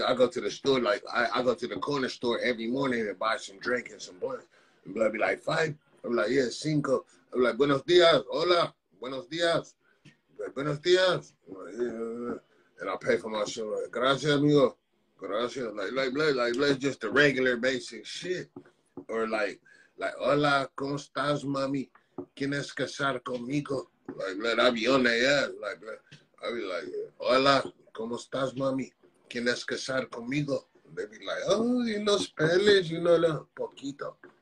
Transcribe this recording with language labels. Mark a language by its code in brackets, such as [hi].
[en] I go to the store, like, I go to the corner store every morning and buy some drink and some blunt. And blood be like, five? I'm like, yeah, cinco. I'm like, [es] buenos dias. Hola, buenos dias. Like, buenos dias. [en] Like, yeah. And I pay for my show. Like, [es] gracias, amigo. [en] Gracias, like, just the regular basic shit. Or like, [es] hola, ¿cómo estás, mami? ¿Quieres casar conmigo? [en] Like, blood, I be on their ass. Like, blood, I be like, [es] hola, ¿cómo estás, mami? ¿Quieres casar conmigo? [en] They be like, oh, you know Spanish, you know, a little poquito.